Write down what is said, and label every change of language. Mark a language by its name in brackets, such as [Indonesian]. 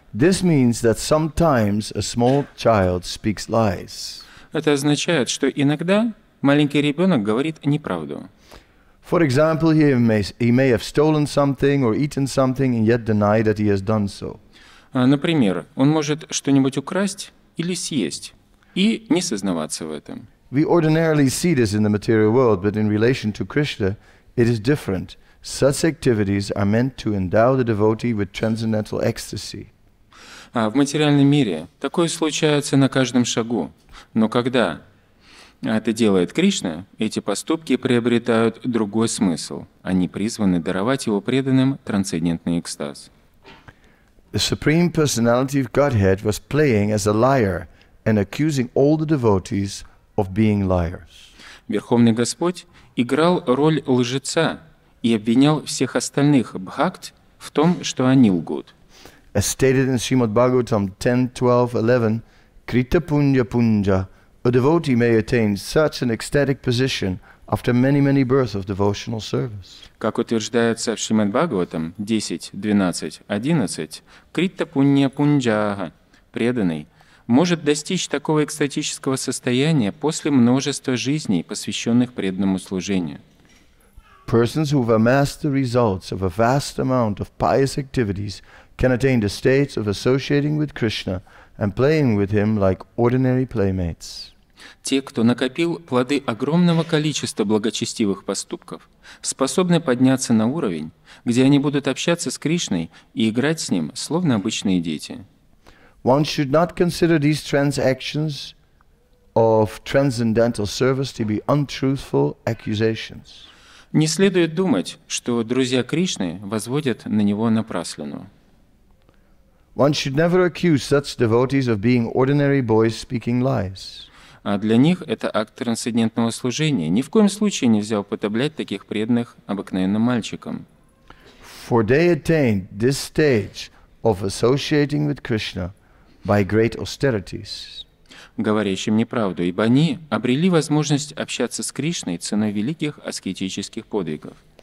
[English] This means that sometimes a small child speaks lies. [Russian] Это означает, что иногда маленький ребенок говорит неправду. [English] For example, he may have stolen something or eaten something and yet deny that he has done so. [Russian] Например, он может что-нибудь украсть или съесть и не сознаваться в этом. [English] We ordinarily see this in the material world, but in relation to Krishna, it is different. Such activities are meant to endow the devotee with transcendental ecstasy. [Russian] В материальном мире такое случается на каждом шагу. Но когда это делает Кришна, эти поступки приобретают другой смысл. Они призваны даровать его преданным трансцендентный экстаз. [English] The Supreme Personality of Godhead was playing as a liar and accusing all the devotees of being liars. [Russian] Верховный Господь играл роль лжеца и обвинял всех остальных бхакт в том, что они лгут. [English] As stated in Srimad Bhagavatam 10.12.11, Krita Punya Punja, a devotee may attain such an ecstatic position after many, many births of devotional service. [Russian] Как утверждается в Шримад Бхагаватам 10.12.11, Крита Пунья Пунджа, преданный, может достичь такого экстатического состояния после множества жизней, посвященных преданному служению. [English] Persons who have amassed the results of a vast amount of pious activities can attain the states of associating with Krishna and playing with him like ordinary playmates. [Russian] Те, кто накопил плоды огромного количества благочестивых поступков, способны подняться на уровень, где они будут общаться с Кришной и играть с ним, словно обычные дети. [English] One should not consider these transactions of transcendental service to be untruthful accusations. [Russian] Не следует думать, что друзья Кришны возводят на него напраслину. [English] One should never accuse such devotees of being ordinary boys speaking lies. [Russian] А для них это акт трансцендентного служения. Ни в коем случае нельзя употреблять таких преданных обыкновенным мальчикам. [English] For they attain this stage of associating with Krishna by great austerities. [Russian] Говорящим неправду, ибо они обрели возможность общаться с Кришной ценой великих аскетических подвигов.